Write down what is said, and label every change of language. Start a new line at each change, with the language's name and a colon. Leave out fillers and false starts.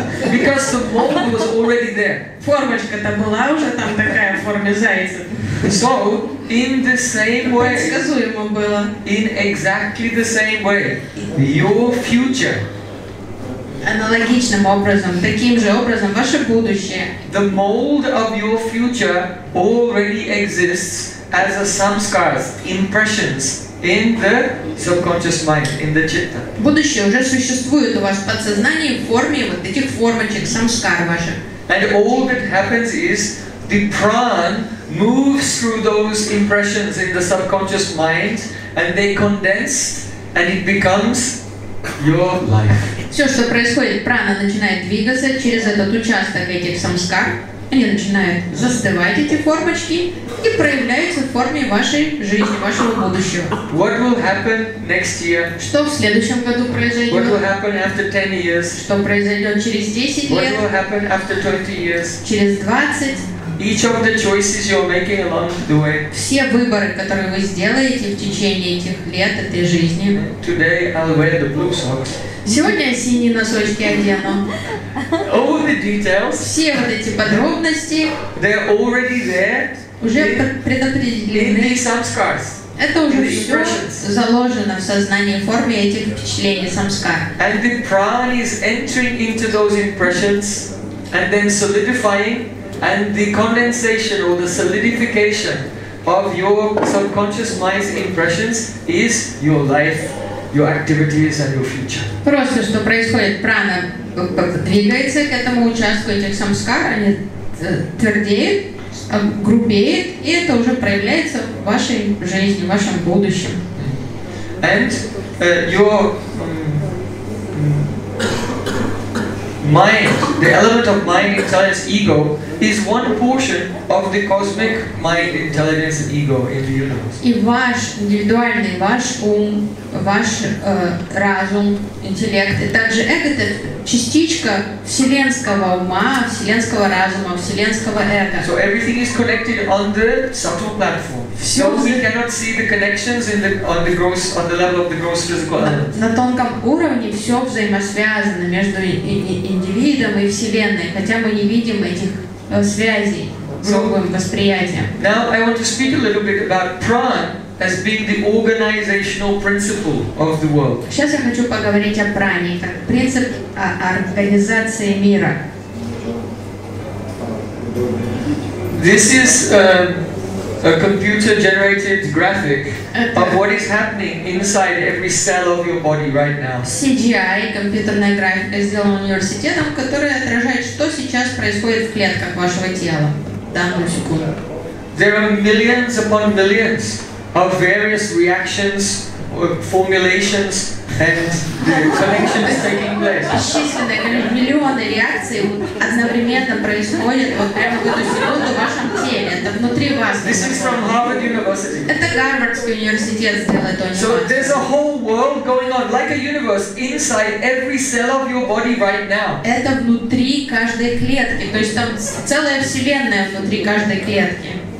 English: Because the mold was already there.
Russian: Формочка-то была уже там такая в форме зайца.
English: So in the same way.
Russian: Предсказуемо было.
English: In exactly the same way, your future.
Russian: Аналогичным образом, таким же образом, ваше будущее.
English: The mold of your future already exists. As a samskaras, impressions in the subconscious mind, in the citta.
Russian: Будущее уже существует у вас в подсознании в форме вот этих формочек самскар ваших.
English: And all that happens is the pran moves through those impressions in the subconscious mind, and they condense, and it becomes your life.
Russian: Все, что происходит, прана начинает двигаться через этот участок этих самскар. Они начинают застывать эти формочки и проявляются в форме вашей жизни, вашего будущего.
English: What will happen next year?
Russian: Что в следующем году произойдет?
English: What will happen after 10 years?
Russian: Что произойдет через 10
English: What
Russian: лет?
English: Will happen after 20 years?
Russian: Через 20?
English: Each of the choices you're making along the way.
Russian: Все выборы, которые вы сделаете в течение этих лет, этой жизни.
English: Today I'll wear the blue socks.
Russian: Сегодня я синие носочки одену.
English: All the details,
Russian: все вот эти подробности,
English: they're already there
Russian: уже предопределены. Это уже все заложено в сознании в форме этих впечатлений самскар.
English: And the prana is entering into those impressions and then solidifying, and the condensation or the solidification of your subconscious mind's impressions is your life, your activities and your future.
Russian: Просто что происходит, прана двигается к этому участку этих самскар, они твердеют, грубеет, и это уже проявляется в вашей жизни, в вашем будущем.
English: And your mind, the element of mind, intelligence, ego, is one portion of the cosmic mind, intelligence, and ego in the universe.
Russian: И ваш индивидуальный, ваш ум, ваш разум, интеллект, и также это частичка вселенского ума, вселенского разума, вселенского эго.
English: So everything is connected on the subtle platform.
Russian: Все.
English: So we cannot see the connections in the on the gross on the level of the gross physical element.
Russian: На тонком уровне все взаимосвязано между индивидом и вселенной, хотя мы не видим этих связей грубым восприятием.
English: Now I want to speak a little bit about prana as being the organizational principle of the world.
Russian: Сейчас я хочу поговорить о пране как принцип организации мира.
English: This is a computer-generated graphic of what is happening inside every cell of your body right now.
Russian: CGI, компьютерная графика, сделана университетом, которая отражает, что сейчас происходит в клетках вашего тела в данную секунду.
English: There are millions upon millions of various reactions, formulations, and the connections taking place.
Russian: Исчисленное количество миллионов реакций одновременно происходит вот прямо в эту секунду в вашем теле. Это внутри вас.
English: This is from Harvard University.
Russian: Это Гарвардский университет сделал это.
English: So there's a whole world going on, like a universe, inside every cell of your body right now.
Russian: Это внутри каждой клетки. То есть там целая вселенная внутри каждой клетки.